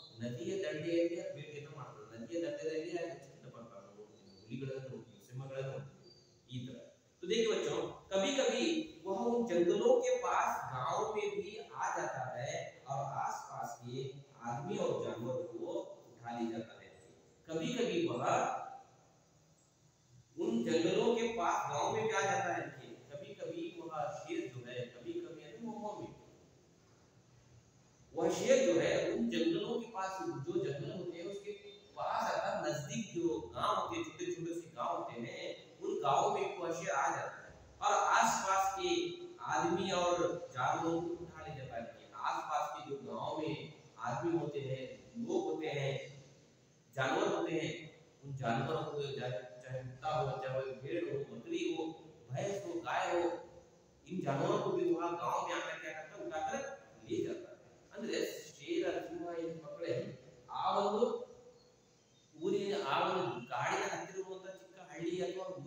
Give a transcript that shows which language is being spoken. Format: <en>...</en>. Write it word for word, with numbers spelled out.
<kn>ನದಿಯ ದಂಡೆಯಲ್ಲಿ ಭೇಟಿಯನ್ನು ಮಾಡ್ತಾರೆ. ನದಿಯ ದಂಡೆಯಲ್ಲಿ ಹೆಚ್ಚು ಬರ್ತಾರೆ, ನೋಡ್ತೀವಿ ಹುಲಿಗಳನ್ನು ನೋಡ್ತೀವಿ, ಸಿಂಹಗಳನ್ನು ನೋಡ್ತೀವಿ ಈ ತರ.</kn> <hi>तो देखिए बच्चों कभी कभी वह उन जंगलों के पास गांव में भी आ जाता है और आसपास के आदमी और जानवर को उठा ले जाता है. कभी कभी वह उन जंगलों के पास गांव में भी आ जाता है. कभी कभी वह शेर जो है, कभी कभी यानी मोमो में वह शेर जो है उन जंगलों के पास, जो जंगल होते हैं उसके पास अर्थात नजदीक जो गांव होते हैं, छोटे छोटे से गांव होते हैं, उन गांव में वह शेर आ जाता है और आसपास के आदमी और जानवरों को उठा ले जाता है. आसपास के जो गांव में आदमी होते हैं, लोग होते हैं, जानवर होते हैं, उन जानवरों को चाहे कुत्ता हो, चाहे भेड़ हो, बकरी हो, भैंस हो, गाय हो, इन जानवरों को भी वहाँ गाँव में आकर क्या करता है? उठाकर ले जाता है.</hi> <kn>ಅಂದ್ರೆ ಶೇರ ಸಿಂಹ ಏನು ಮಕ್ಕಳೇ ಆ ಒಂದು ಊರಿನ ಆ ಒಂದು ಕಾಡಿನ ಹತ್ತಿರುವಂತಹ ಚಿಕ್ಕ ಹಳ್ಳಿ ಅಥವಾ</kn>